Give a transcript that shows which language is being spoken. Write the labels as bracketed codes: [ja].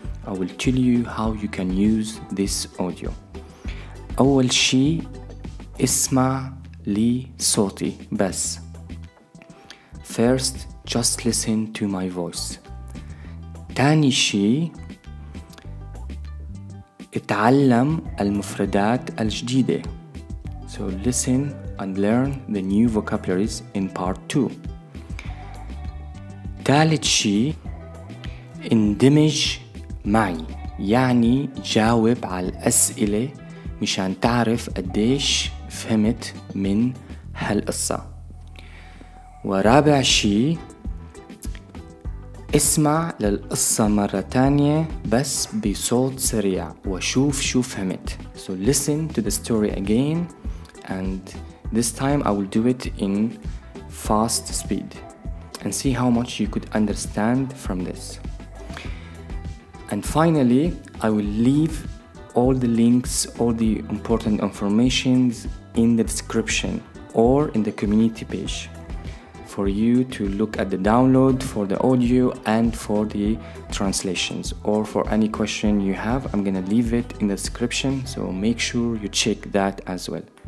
[en] I will tell you how you can use this audio. [ar] أول شي اسمع لي صوتي بس. [en] First, just listen to my voice. [ar] تاني شي اتعلم المفردات الجديدة. [en] So listen and learn the new vocabularies in part 2. [ar] تالت شي اندمج معي، يعني جاوب على الأسئلة مشان تعرف قديش فهمت من هالقصة. ورابع شي اسمع للقصة مرة تانية بس بصوت سريع وشوف شو فهمت. [en] So listen to the story again and this time I will do it in fast speed and see how much you could understand from this. And finally, I will leave all the links, all the important informations in the description or in the community page for you to look at the download for the audio and for the translations, or for any question you have, I'm gonna leave it in the description, so make sure you check that as well.